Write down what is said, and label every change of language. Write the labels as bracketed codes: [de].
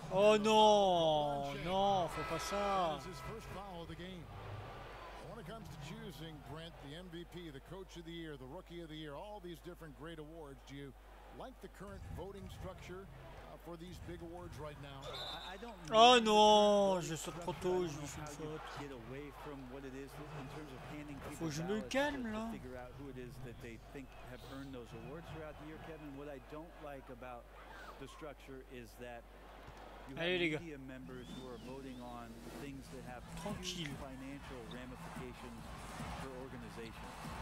[fr] Oh non, faut pas ça. [en] This is his first foul of the game. When it comes to choosing, Brent, the MVP, the Coach of the Year, the Rookie of the Year, all these different great awards, do you like the current voting structure for these big awards right now? I don't. [fr] Oh non, je saute trop tôt, je me fais une faute. [en] Get away from what it is in terms of handing people. [fr] Faut que je me calme là. [en] Figure out who it is that they think have earned those awards throughout the year, Kevin. What I don't like about the structure is that. [fr] Allez les gars. [en] Media members who are voting on things that have huge financial ramifications for organizations.